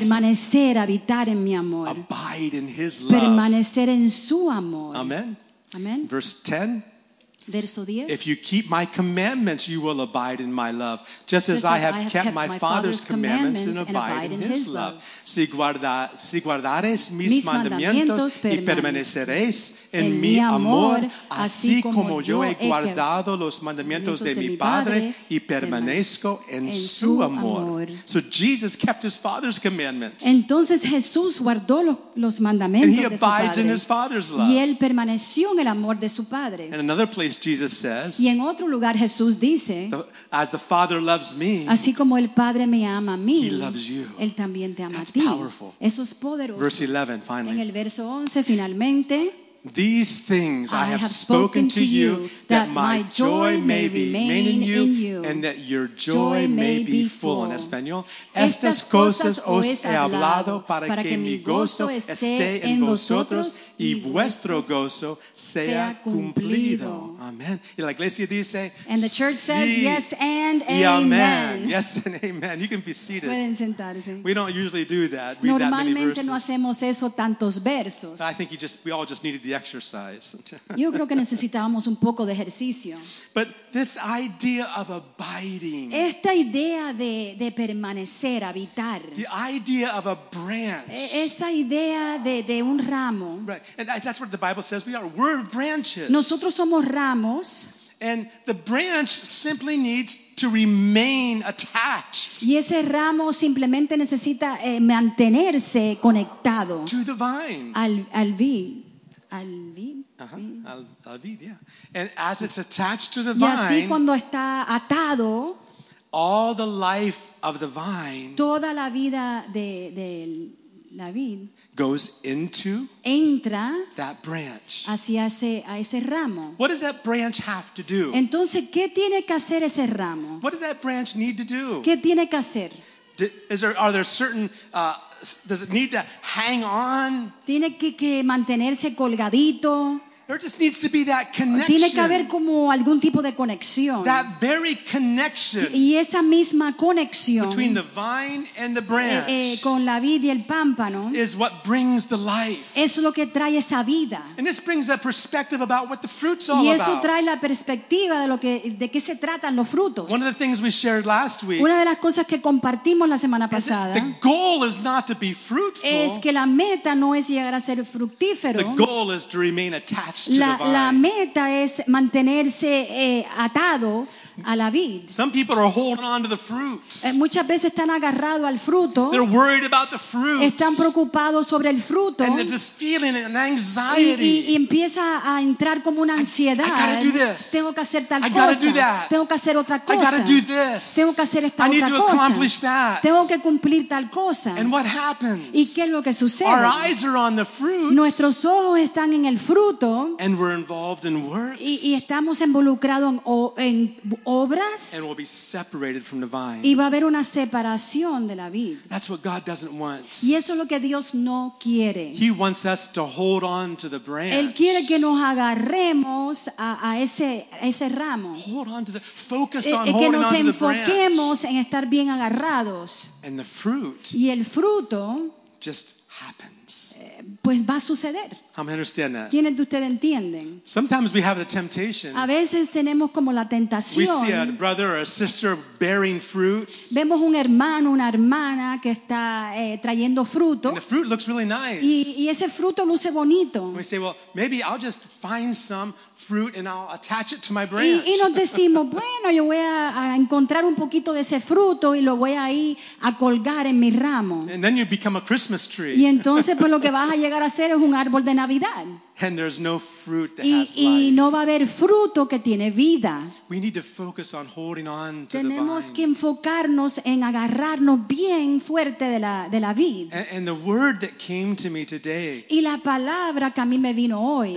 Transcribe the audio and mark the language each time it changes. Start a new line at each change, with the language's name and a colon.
Spanish: Permanecer, habitar en mi amor.
English: Abide in his love.
Spanish: Permanecer en su amor.
English: Amen. Amen. Verse 10.
Spanish: Verso 10.
English: If you keep my commandments, you will abide in my love, just as I have kept my Father's commandments and abide in his love.
Spanish: Si guardares mis mandamientos y permaneceréis en mi amor, así como yo he guardado los mandamientos de mi Padre y permanezco en su amor.
English: So Jesus kept his Father's commandments.
Spanish: Entonces Jesús guardó los mandamientos de su Padre.
English: And he abides in his Father's love.
Spanish: Y él permaneció en el amor de su Padre.
English: In another place, Jesus says,
Spanish: y en otro lugar Jesús dice,
English: as the Father loves me,
Spanish: así como el Padre me ama a mí,
English: he loves you.
Spanish: Él también te ama
English: That's
Spanish: a ti.
English: Powerful.
Spanish: Eso es poderoso.
English: Verse 11, finally.
Spanish: En el verso 11, finalmente,
English: These things I have spoken to you, that my joy may remain in you, and that your joy may be full.
Spanish: En español, estas cosas os he hablado para que mi gozo esté en vosotros y vuestro gozo sea cumplido. Amen. Y la iglesia dice,
English: and the church says, yes and
Spanish: y amen.
English: Amen. Yes and amen. You can be seated.
Spanish: Pueden sentarse.
English: We don't usually do that. Read
Spanish: normalmente
English: that many verses.
Spanish: No hacemos eso tantos versos.
English: I think we all just needed the exercise.
Spanish: Yo creo que necesitábamos un poco de ejercicio.
English: But this idea of abiding.
Spanish: Esta idea de permanecer, habitar.
English: The idea of a branch.
Spanish: Esa idea de un ramo.
English: Right. And that's what the Bible says we are. We're branches.
Spanish: Nosotros somos ramos.
English: And the branch simply needs to remain attached.
Spanish: Y ese ramo simplemente necesita mantenerse conectado.
English: To the vine.
Spanish: Al vid. Al vid.
English: Uh-huh.
Spanish: Al vid,
English: yeah. And as it's attached to the vine.
Spanish: Y así cuando está atado.
English: All the life of the vine.
Spanish: Toda la vida de la vid.
English: Goes into
Spanish: entra
English: that branch.
Spanish: Hacia ese ramo.
English: What does that branch have to do?
Spanish: Entonces, ¿qué tiene que hacer ese ramo?
English: What does that branch need to do?
Spanish: ¿Qué tiene que hacer?
English: Are there certain does it need to hang on?
Spanish: Tiene que mantenerse colgadito.
English: There just needs to be that connection.
Spanish: Tiene que haber como algún tipo de conexión.
English: That very connection.
Spanish: Y esa misma conexión.
English: Between the vine and the branch.
Spanish: Con la vid y el pámpano.
English: Is what brings the life.
Spanish: Es lo que trae esa vida.
English: And this brings a perspective about what the fruit's all
Spanish: about. Y eso
English: about.
Spanish: Trae la perspectiva de qué se tratan los frutos.
English: One of the things we shared last week.
Spanish: Una de las cosas que compartimos la semana pasada.
English: The goal is not to be fruitful.
Spanish: Es que la meta no es llegar a ser fructífero.
English: The goal is to remain attached.
Spanish: La meta es mantenerse atado a la vid.
English: Some people are holding on to the fruit.
Spanish: Muchas veces están agarrados al fruto.
English: They're worried about the fruit.
Spanish: Están preocupados sobre el fruto.
English: And they're just feeling an anxiety.
Spanish: Y empieza a entrar como una ansiedad.
English: I gotta do this.
Spanish: Tengo que hacer tal
English: I
Spanish: cosa.
English: Gotta do that.
Spanish: Tengo que hacer otra cosa.
English: I gotta do this.
Spanish: Tengo que hacer esta
English: I
Spanish: otra
English: need to
Spanish: cosa.
English: Accomplish that.
Spanish: Tengo que cumplir tal cosa.
English: And what happens?
Spanish: ¿Y qué es lo que sucede?
English: Our eyes are on the fruit.
Spanish: Nuestros ojos están en el fruto.
English: And we're involved in works.
Spanish: Y estamos involucrados en obras,
English: and we'll be separated from the vine.
Spanish: Y va a haber una separación de la vid.
English: That's what God doesn't want.
Spanish: Y eso es lo que Dios no quiere.
English: He wants us to hold on to the branch.
Spanish: Él quiere que nos agarremos a ese ramo.
English: Hold on to the focus on holding on to the branch.
Spanish: Que nos enfoquemos en estar bien agarrados.
English: And the fruit.
Spanish: Y el fruto.
English: Just happens.
Spanish: Pues va a suceder.
English: I'm understand that.
Spanish: ¿Quiénes de ustedes entienden?
English: Sometimes we have the temptation.
Spanish: A veces tenemos como la tentación.
English: We see a brother or a sister bearing fruit.
Spanish: Vemos un hermano, una hermana que está trayendo fruto.
English: And the fruit looks really nice.
Spanish: Y ese fruto luce bonito.
English: And we say, well, maybe I'll just find some fruit and I'll attach it to my branch.
Spanish: Y nos decimos, bueno, yo voy a encontrar un poquito de ese fruto y lo voy ahí a colgar en mi ramo.
English: And then you become a Christmas tree.
Spanish: Y entonces pues lo que vas a llegar a ser es un árbol de Navidad.
English: And there's no fruit that
Spanish: y,
English: has life.
Spanish: Y no va a haber fruto que tiene vida.
English: We need to focus on holding on to
Spanish: tenemos
English: the vine.
Spanish: Que enfocarnos en agarrarnos bien fuerte de la vid.
English: And the word that came to me today.
Spanish: Y la palabra que a mí me vino hoy.